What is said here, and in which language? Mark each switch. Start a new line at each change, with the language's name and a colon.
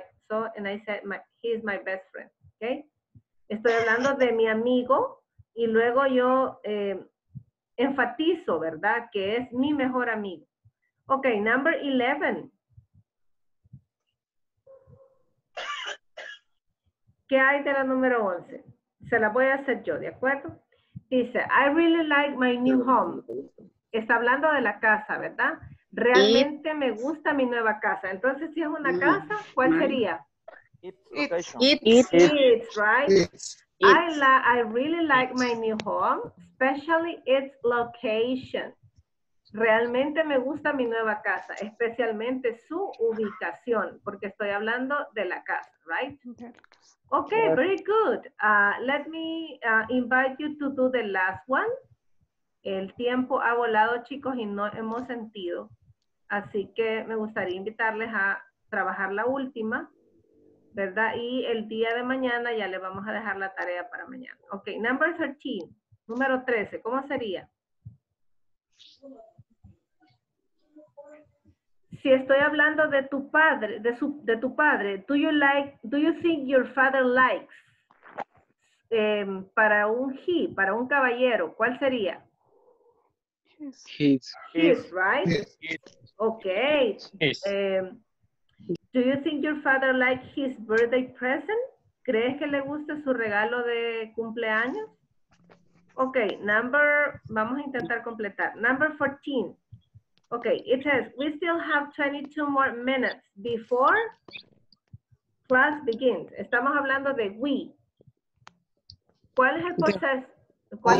English: So, and I said, he is my best friend. Okay.
Spanish: Estoy hablando de mi amigo y luego yo enfatizo, ¿verdad? Que es mi mejor amigo.
English: Okay, number 11.
Spanish: ¿Qué hay de la número 11? Se la voy a hacer yo, ¿de acuerdo? Dice,
English: I really like my new home.
Spanish: Está hablando de la casa, ¿verdad? Realmente me gusta mi nueva casa. Entonces, si es una casa, ¿cuál sería?
English: It's right. I really like my new home, especially its location.
Spanish: Realmente me gusta mi nueva casa, especialmente su ubicación, porque estoy hablando de la casa,
English: right? Okay, very good. Let me invite you to do the last one.
Spanish: El tiempo ha volado, chicos, y no hemos sentido. Así que me gustaría invitarles a trabajar la última, ¿verdad? Y el día de mañana ya le vamos a dejar la tarea para mañana.
English: Ok, number 13,
Spanish: número 13, ¿cómo sería? Si estoy hablando de tu padre,
English: de tu padre, do you like, do you think your father likes?
Spanish: Para un he, para un caballero, ¿cuál sería?
English: His, right? His. Okay. His. Do you think your father likes his birthday present?
Spanish: ¿Crees que le gusta su regalo de cumpleaños? Okay, number, vamos a intentar completar.
English: Number 14. Okay, it says, we still have 22 more minutes before class begins.
Spanish: Estamos hablando de we. ¿Cuál es el possessive? ¿Cuál